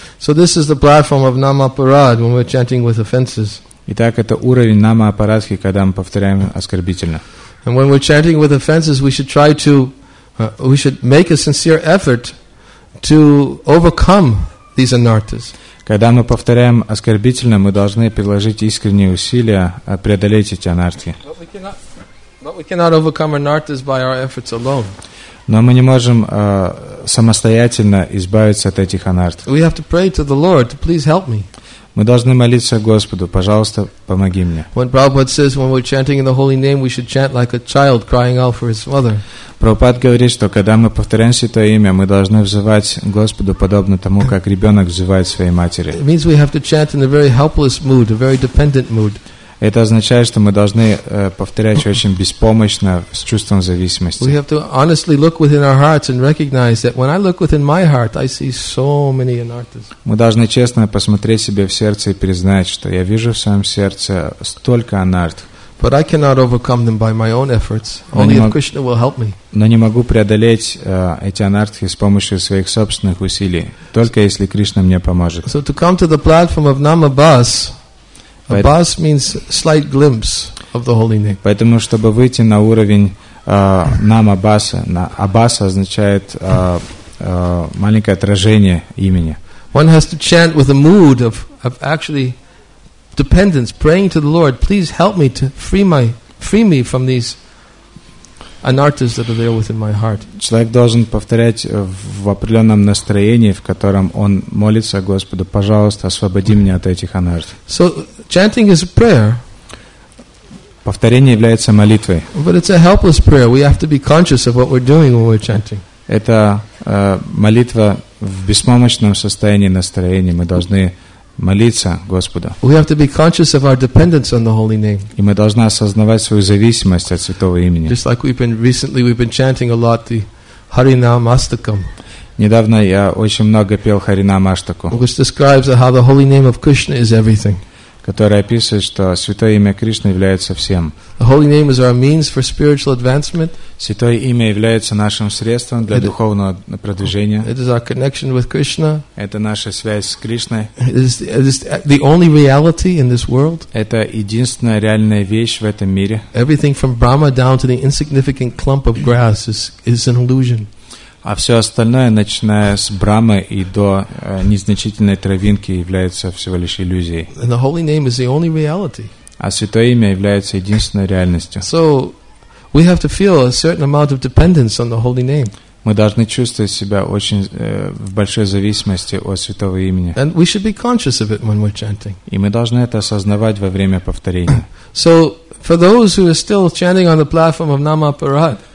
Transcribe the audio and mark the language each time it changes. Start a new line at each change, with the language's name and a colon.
English: So this is the platform of Namaparad when we're chanting with offenses.
Russian: Итак, это уровень Намапарадхи, когда мы повторяем оскорбительно.
English: And when we're chanting with offenses, we should try to, we should make a sincere effort to overcome these anarthas.
Russian: Когда мы повторяем оскорбительно, мы должны приложить искренние усилия преодолеть эти анартхи.
English: But we cannot overcome anarthas by our efforts alone.
Russian: Но мы не можем самостоятельно избавиться от этих анарт.
English: We have to pray to the Lord to please help me.
Russian: Мы должны молиться Господу, пожалуйста, помоги мне.
English: When Prabhupada says when we're chanting in the holy name, we should chant like a child crying out for his mother.
Russian: Прабхупада говорит, что когда мы повторяем Святое Имя, мы должны взывать Господу подобно тому, как ребенок взывает своей матери.
English: It means we have to chant in a very helpless mood, a very dependent mood.
Russian: Это означает, что мы должны повторять очень беспомощно, с чувством зависимости.
English: We have to honestly look within our hearts and recognize that when I look within my heart, I see so many anarthas.
Russian: Мы должны честно посмотреть себе в сердце и признать, что я вижу в своем сердце столько анартх.
English: But I cannot overcome them by my own efforts. Only if Krishna will help me.
Russian: Но не могу преодолеть эти анартхи с помощью своих собственных усилий. Только если Кришна мне поможет.
English: So to come to the platform of Namabhas. Abbas means slight glimpse of the holy name.
Russian: Поэтому, чтобы выйти на уровень Намабаса, Аббас означает маленькое отражение имени.
English: One has to chant with a mood of actually dependence, praying to the Lord, please help me to free me from these anarthas that are there within my heart.
Russian: Человек должен повторять в определенном настроении, в котором он молится Господу, пожалуйста, освободи меня от этих анарт.
English: So chanting is a prayer.
Russian: Повторение является молитвой.
English: But it's a helpless prayer. We have to be conscious of what we're doing when we're chanting.
Russian: Это молитва в беспомощном состоянии настроения. Мы должны молиться Господу.
English: We have to be conscious of our dependence on the holy name.
Russian: И мы должны осознавать свою зависимость от святого имени.
English: Just like we've been chanting a lot the Harinamastakam.
Russian: Недавно я очень много пел Харинамаштаку.
English: Which describes how the holy name of Krishna is everything.
Russian: Которая описывает, что святое имя Кришны является всем.
English: The holy name is our means for spiritual advancement.
Russian: Святое имя является нашим средством для духовного продвижения.
English: It is our connection with Krishna.
Russian: Это наша связь с Кришной.
English: It is the only reality in this world.
Russian: Это единственная реальная вещь в этом мире.
English: Everything from Brahma down to the insignificant clump of grass is an illusion.
Russian: А все остальное, начиная с Брамы и до незначительной травинки, является всего лишь иллюзией.
English: And the holy name is the only reality.
Russian: А святое имя является единственной реальностью.
English: So we have to feel a certain amount of dependence on the holy name.
Russian: Мы должны чувствовать себя очень в большой зависимости от святого имени.
English: And we should be conscious of it when we're chanting.
Russian: И мы должны это осознавать во время повторения.
English: So for those who are still chanting on the platform of Namaparad.